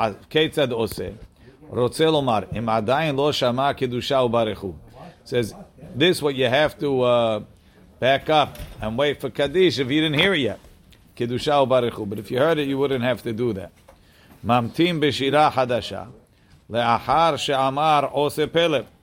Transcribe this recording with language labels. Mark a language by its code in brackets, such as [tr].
[he] כיצד עושה? רוצה לומר, אם עדיין לא שמע קדושה וברכו. [en] Says, this is what you have to back up and wait for Kaddish if you didn't hear it yet. קדושה וברכו. But if you heard it, you wouldn't have to do that. [he] ממתים בשירה חדשה, לאחר שאמר עושה פלא.